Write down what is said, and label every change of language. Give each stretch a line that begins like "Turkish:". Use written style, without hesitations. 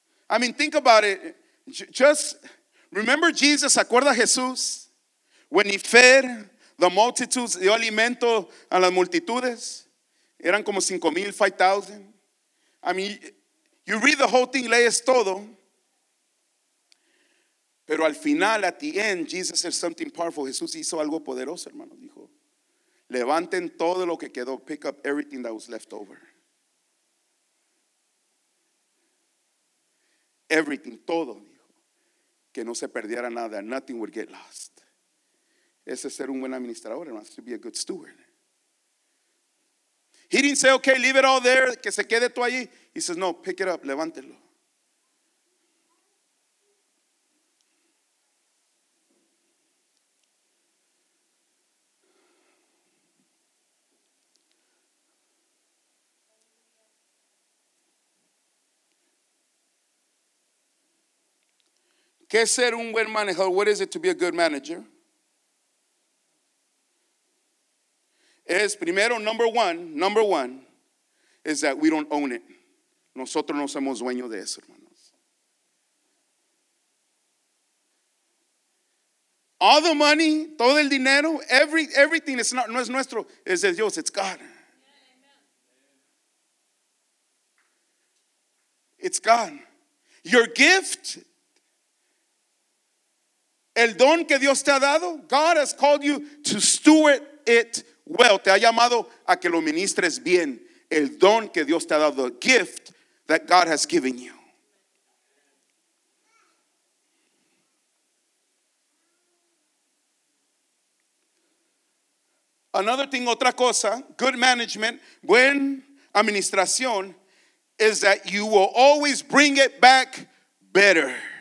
English: I mean, think about it. Just remember Jesus,
Spanish: acuerda Jesús,
English: when he fed the multitudes,
Spanish: dio alimento a las multitudes. Eran como 5,000, 5,000.
English: I mean, you read the whole thing,
Spanish: lees todo. Pero al final,
English: at the end, Jesus said something powerful.
Spanish: Jesús hizo algo poderoso, hermano. Dijo, levanten todo lo que quedó.
English: Pick up everything that was left over.
Spanish: Everything, todo, dijo. Que no se perdiera nada.
English: Nothing would get lost.
Spanish: Ese es ser un buen administrador, hermano.
English: To be a good steward. He didn't say, okay, leave it all there.
Spanish: Que se quede tú allí.
English: He says, no, pick it up,
Spanish: levántelo. ¿Qué es ser un buen manejador?
English: What is it to be a good manager?
Spanish: Es primero,
English: number one, is that we don't own it.
Spanish: Nosotros no somos dueños de eso, hermanos.
English: All the money,
Spanish: todo el dinero, everything,
English: it's not,
Spanish: no es nuestro, es de Dios,
English: it's God. It's God. Your gift,
Spanish: el don que Dios te ha dado,
English: God has called you to steward it well.
Spanish: Te ha llamado a que lo ministres bien. El don que Dios te ha dado,
English: the gift that God has given you. Another thing,
Spanish: otra cosa,
English: good management,
Spanish: buen administración,
English: is that you will always bring it back better.